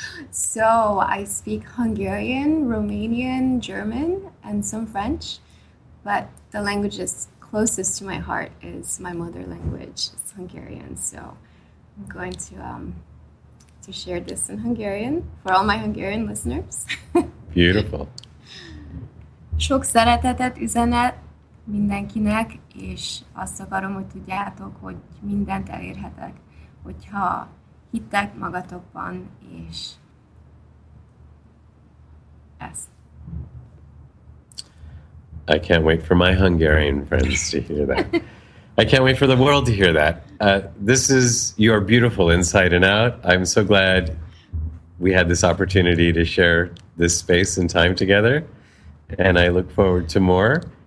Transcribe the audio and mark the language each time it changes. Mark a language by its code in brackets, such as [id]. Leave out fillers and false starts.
[en] So I speak Hungarian, Romanian, German, and some French, but the language that's closest to my heart is my mother language. It's Hungarian. So I'm going to share this in Hungarian for all my Hungarian listeners. Beautiful. [hu] Sok szeretetet üzenet mindenkinek, és azt akarom, hogy tudjátok, hogy mindent elérhetek, hogyha hittek magatokban, és ez. [en] I can't wait for my Hungarian friends to hear that. I can't wait for the world to hear that. This is your beautiful Inside and Out. I'm so glad we had this opportunity to share this space and time together. And I look forward to more.